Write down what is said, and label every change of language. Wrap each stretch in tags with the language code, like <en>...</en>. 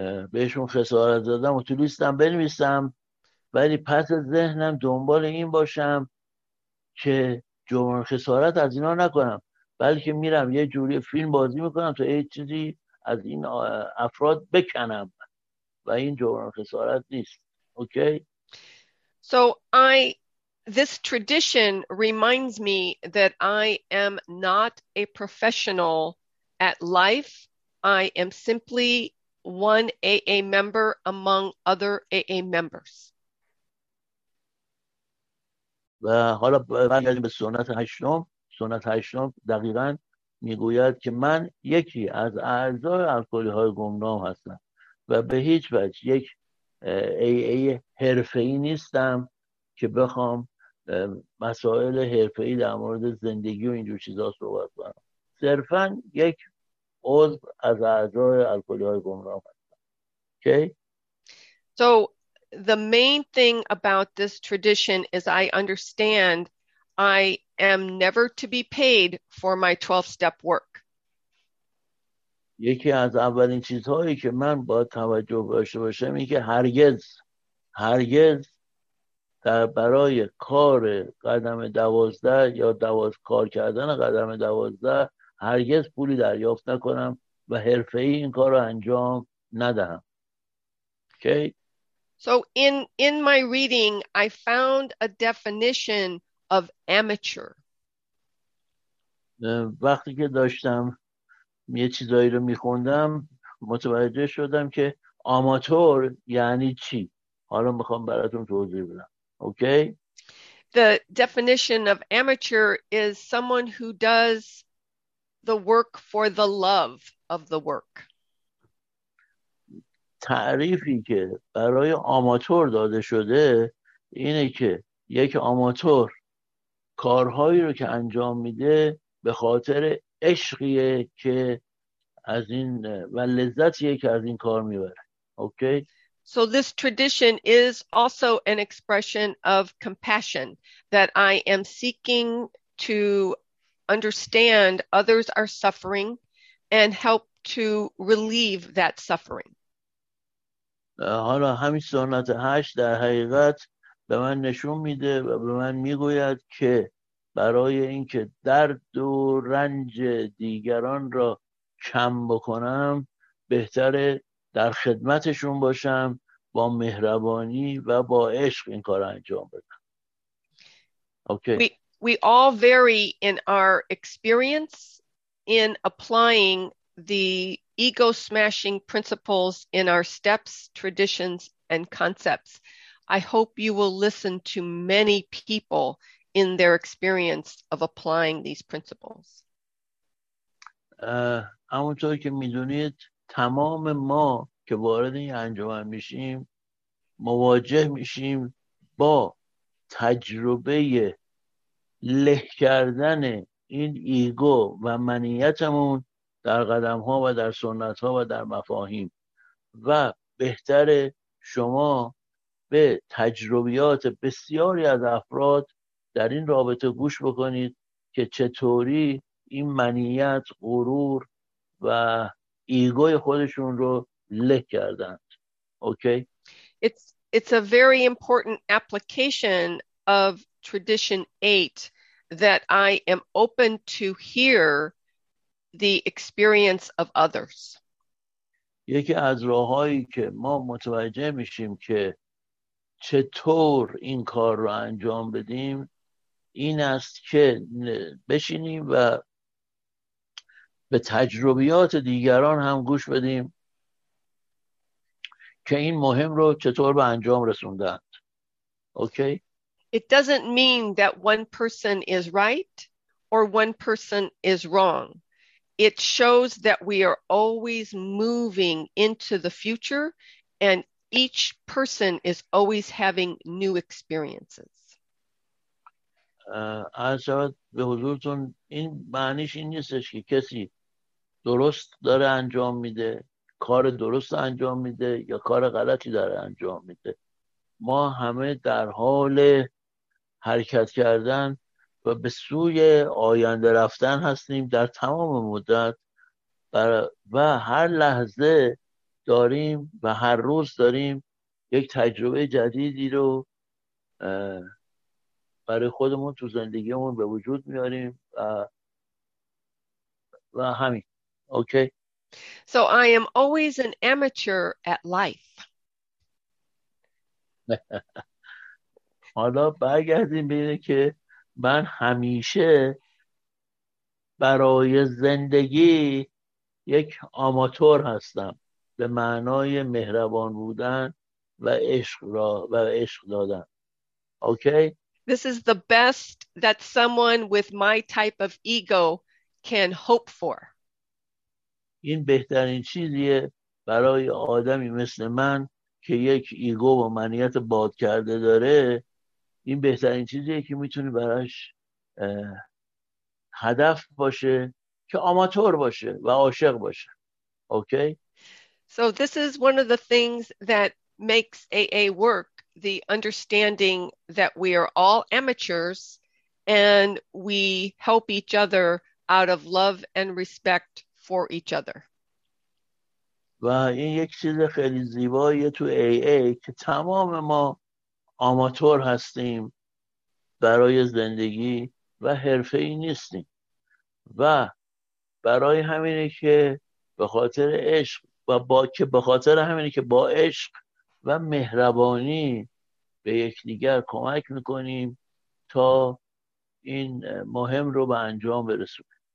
<fa>بهشون خسارت دادم و تو لیستم بنویسم، ولی پس ذهنم دنبال این باشم که جبران خسارت از اینا نکنم، بلکه میرم یه جوری فیلم بازی میکنم تا یه چیزی از این افراد بکنم و این جبران خسارت نیست. اوکی؟</fa> <en>So I, this tradition reminds me that I am not a professional at life. I am simply one AA member among other AA members.</en> <fa>و حالا برگردیم به سنت هشتم. سنت هشتم دقیقا میگوید که من یکی از اعضای الکلی های گمنام هستم و به هیچ وجه یک ای ای حرفه ای نیستم که بخوام مسائل حرفه ای در مورد زندگی و اینجور چیزا صحبت کنم، صرفا یک عضو از اعضای الکلی های گمنام هستم.</fa> <en>Okay okay? So, the main thing about this tradition is I understand I am never to be paid for my 12-step work.</en> <fa>یکی از اولین چیزهایی که من با توجه داشته باشم این که هرگز هرگز در برای کار قدم دوازده یا دواز کار کردن قدم دوازده هرگز پولی دریافت نکنم و حرفه ای این کار رو انجام ندهم.</fa> <en>Okay. So in my reading, I found a definition of amateur.</en> <fa>وقتی که داشتم یه چیزایی رو میخوندم متوجه شدم که آماتور یعنی چی. حالا میخوام براتون توضیح بدم.</fa> <en>Okay The definition of amateur is someone who does the work for the love of the work.</en> <fa>تعریفی که برای آماتور داده شده اینه که یک آماتور کارهایی رو که انجام میده به خاطر عشقیه که از این و لذتیه که از این کار میبره.</fa> <en>Okay So this tradition is also an expression of compassion that I am seeking to understand others are suffering and help to relieve that suffering.</en> <fa>حالا همین سنت هشت در حقیقت به من نشون میده و به من میگوید که برای اینکه درد و رنج دیگران را کم بکنم بهتره در خدمتشون باشم با مهربانی و با عشق این کار انجام بدم.</fa> <en>Okay. We all vary in our experience in applying the ego smashing principles in our steps, traditions, and concepts. I hope you will listen to many people in their experience of applying these principles.</en> <fa>همونطور که میدونید تمام ما که وارد این انجمن میشیم مواجه میشیم با تجربه له کردن این ایگو و منیتمون در قدم ها و در سنت ها و در مفاهیم و بهتر شما به تجربیات بسیاری از افراد در این رابطه گوش بکنید که چطوری این منیت، غرور و ایگوی خودشون رو له کردند.</fa> <en>Okay? It's a very important application of tradition 8 that I am open to hear the experience of others.</en> <fa>یکی از راههایی که ما متوجه میشیم که چطور این کار رو انجام بدیم این است که بشینیم و به تجربیات دیگران هم گوش بدیم که این مهم رو چطور به انجام رسوندند.</fa> <en>Okay? It doesn't mean that one person is right or one person is wrong. It shows that we are always moving into the future and each person is always having new experiences.</en> <fa>عرض به حضورتون این معنیش این نیستش که کسی درست داره انجام میده، کار درست انجام میده یا کار غلطی داره انجام میده. ما همه در حال حرکت کردن و به سوی آینده رفتن هستیم در تمام مدت و هر لحظه داریم و هر روز داریم یک تجربه جدیدی رو برای خودمون تو زندگیمون به وجود میاریم و همین.</fa> <en>Okay. So I am always an amateur at life.</en> <fa>حالا برگردیم ببینیم که من همیشه برای زندگی یک آماتور هستم، به معنای مهربان بودن و عشق را و عشق دادن.</fa> <en>Okay? This is the best that someone with my type of ego can hope for.</en> <fa>این بهترین چیزیه برای آدمی مثل من که یک ایگو و منیت باد کرده داره. این بهترین چیزیه که میتونه براش هدف باشه که آماتور باشه و عاشق باشه.</fa> <en>Okay? So this is one of the things that makes AA work, the understanding that we are all amateurs and we help each other out of love and respect for each other.</en> <fa>و این یک چیز خیلی زیبایی تو AA که تمام ما آماتور هستیم برای زندگی و حرفه‌ای نیستیم و برای همینه که به خاطر عشق و با که به خاطر همینه که با عشق و مهربانی به یکدیگر کمک میکنیم تا این مهم رو به انجام برسونیم.</fa>